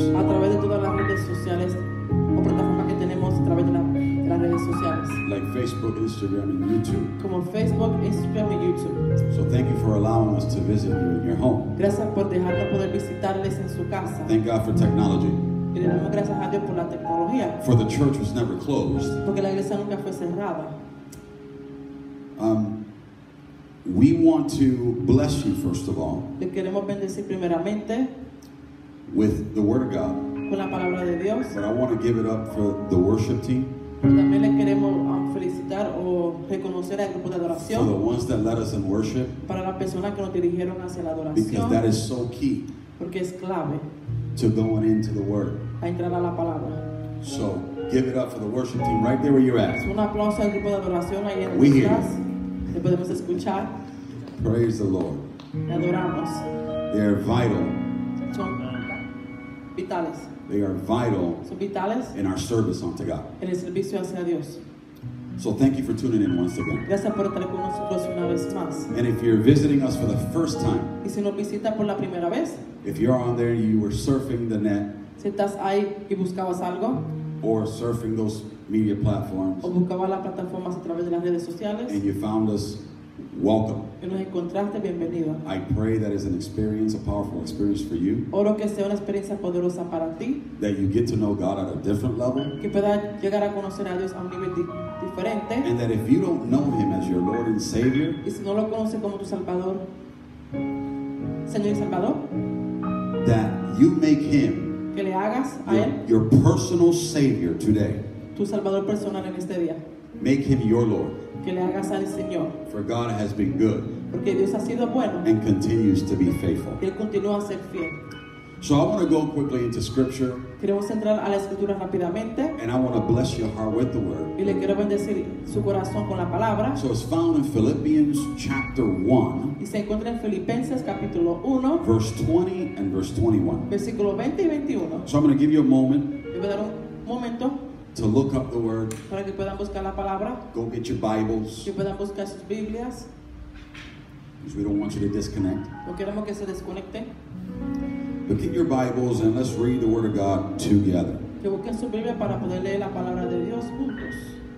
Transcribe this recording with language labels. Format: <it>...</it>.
<es>a través de todas las redes sociales o plataformas que tenemos a través de las redes sociales,</es> <en>like Facebook, Instagram, and YouTube.</en> <es>Como Facebook, Instagram, and YouTube.</es> <en>So thank you for allowing us to visit you in your home.</en> <es>Gracias por dejarnos poder visitarles en su casa.</es> <en>Thank God for technology.</en> <es>Y le damos gracias a Dios por la tecnología.</es> <en>For the church was never closed.</en> <es>Porque la iglesia nunca fue cerrada.</es> <en>We want to bless you first of all.</en> <es>Le queremos bendecir primeramente.</es> <en>With the word of God.</en> <es>Con la palabra de Dios.</es> <en>But I want to give it up for the worship team.</en> <es>Pero también le queremos felicitar o reconocer al grupo de adoración.</es> <en>For the ones that led us in worship.</en> <es>Para las personas que nos dirigieron hacia la adoración.</es> <en>Because that is so key.</en> <es>Porque es clave.</es> <en>To going into the Word.</en> <es>A entrar a la palabra.</es> <en>So, give it up for the worship team right there where you're at.</en> <es>Un aplauso al grupo de adoración ahí en</es> <en>We hear</en> <es>you. Podemos escuchar.</es> <en>Praise the Lord.</en> <es>Le adoramos.</es> <en>They are vital.</en> <es>Son vitales.</es> <en>They are vital.</en> <es>Son vitales.</es> <en>In our service unto God.</en> <es>En el servicio hacia Dios.</es> <en>So thank you for tuning in once again.</en> <es>Gracias por estar con nosotros una vez más.</es> <en>And if you're visiting us for the first time.</en> <es>Y si nos visita por la primera vez.</es> <en>If you're on there and you were surfing the net,</en> <es>si estás ahí y buscabas algo,</es> <en>or surfing those media platforms,</en> <es>o buscaba las plataformas a través de las redes sociales,</es> <en>and you found us, welcome.</en> <es>Y nos encontraste, bienvenido.</es> <en>I pray that is an experience, a powerful experience for you.</en> <es>Oro que sea una experiencia poderosa para ti.</es> <en>That you get to know God at a different level.</en> <es>Que puedas llegar a conocer a Dios a un nivel diferente.</es> <en>And that if you don't know Him as your Lord and Savior,</en> <es>y si no lo conoces como tu Salvador, Señor y Salvador.</es> <en>That you make him</en> <es>que le hagas a él</es> <en>your personal savior today.</en> <es>Tu salvador personal en este día.</es> <en>Make him your Lord.</en> <es>Que le hagas al Señor.</es> <en>For God has been good.</en> <es>Porque Dios ha sido bueno.</es> <en>And continues to be faithful.</en> <es>Él continúa a ser fiel.</es> <en>So I want to go quickly into scripture.</en> <es>Queremos entrar a la escritura rápidamente.</es> <en>And I want to bless your heart with the word.</en> <es>Y le quiero bendecir su corazón con la palabra.</es> <en>So it's found in Philippians chapter 1.</en> <es>Y se encuentra en Filipenses capítulo 1.</es> <en>Verse 20 and verse 21.</en> <es>Versículo 20 y 21.</es> <en>So I'm going to give you a moment.</en> <es>Le voy a dar un momento.</es> <en>To look up the word.</en> <es>Para que puedan buscar la palabra.</es> <en>Go get your Bibles.</en> <es>Que puedan buscar sus Biblias.</es> <en>Because we don't want you to disconnect.</en> <es>No queremos que se desconecten.</es> <en>Look at your Bibles and let's read the Word of God together.</en> <es>Que busquen su Biblia para poder leer la palabra de Dios juntos.</es>